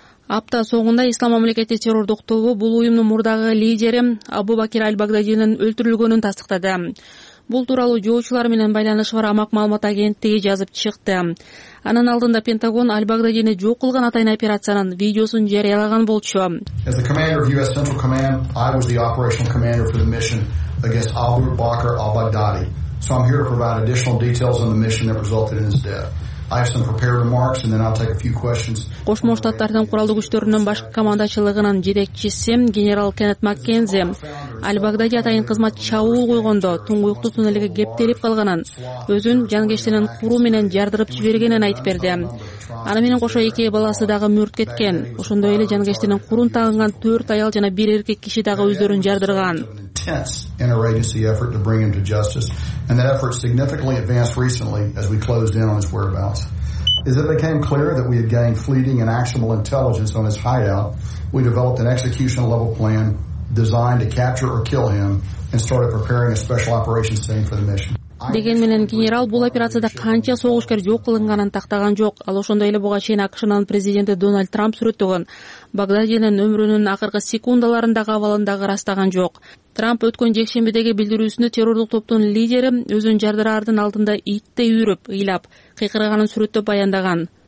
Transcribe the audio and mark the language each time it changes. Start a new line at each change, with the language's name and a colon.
Kyrgyz: Апта соңунда Ислам мамлекети террордук тобу бул уюмдун мурдагы лидери Абу Бакир Аль-Багдадинин өлтүрүлгөнүн тастыктады. Бул тууралуу жоочулар менен байланышы бар Амак маалымат агенттиги жазып чыкты. Анын алдында Пентагон Аль-Багдадини жок кылган атайын операциянын видеосун жарыялаган болчу.
English: As the commander of US Central Command, I was the operational commander for the mission against Abu Bakr al-Baghdadi. So I'm here to provide additional details on the mission that resulted in his death. I have some prepared remarks and then I'll take a few questions.
Kyrgyz: Кошмо Штаттардын куралдуу күчтөрүнүн баш командачылыгынын жетекчиси генерал Кеннет Маккензи Аль-Багдади атайын кызмат чабуул койгондо туңгуюктуу туннелге кептелип калганын, өзүн жангечтеринин куруу менен жардырып жибергенин айтып берди. Аны менен кошо эки баласы дагы мүрт кеткен. Ошондой эле жангечтеринин курун тагынган 4 аял жана 1 эркек киши дагы өздөрүн жардырган.
English: intense interagency effort to bring him to justice, and that effort significantly advanced recently as we closed in on his whereabouts. As it became clear that we had gained fleeting and actionable intelligence on his hideout, we developed an execution-level plan designed to capture or kill him and started preparing a special operations team for the mission.
Kyrgyz: Деген менен генерал бул операцияда канча согушкер жок кылынганын тактаган жок. Ал ошондой эле буга чейин АКШнын президенти Дональд Трамп сүрөттөгөн Багдадинин өмүрүнүн акыркы секундаларындагы абалын дагы ырастаган жок. Трамп өткөн жекшембидеги билдирүүсүндө террордук топтун лидери өзүн жардыраардын алдында иттей үрүп, ыйлап, кыйкырганын сүрөттөп баяндаган.